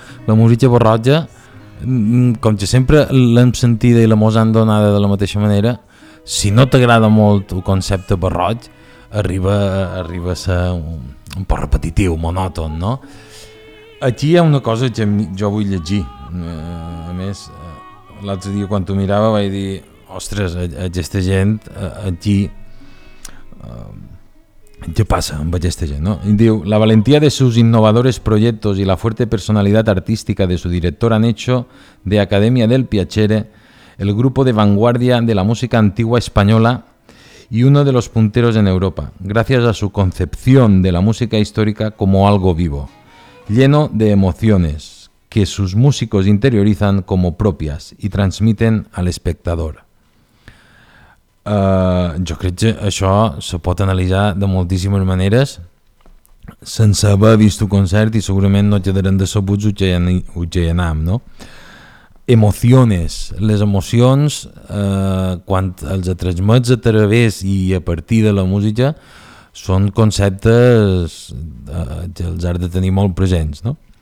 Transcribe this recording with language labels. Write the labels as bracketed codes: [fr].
[ca] La música borratja, com que sempre l'hem sentida i la mos han donada de la mateixa manera, si no t'agrada molt el concepte barroig, arriba a ser un poc repetitiu, monòton, no? Aquí hi ha una cosa que jo vull llegir. A més, l'altre dia quan t'ho mirava vaig dir, ostres, aquesta gent, aquí, què passa amb aquesta gent, no? [es] Diu, la valentia de sus innovadores proyectos y la fuerte personalidad artística de su director han hecho de Academia del Piacere el grupo de vanguardia de la música antigua española y uno de los punteros en Europa, gracias a su concepción de la música histórica como algo vivo, lleno de emociones que sus músicos interiorizan como propias y transmiten al espectador. [ca] Jo crec que això se pot analitzar de moltíssimes maneres sense haver vist un concert i segurament no quedarem decebuts o ja hi anem, no? Emociones, les emocions quan els transmets a través i a partir de la música són conceptes que els has de tenir molt presents, no?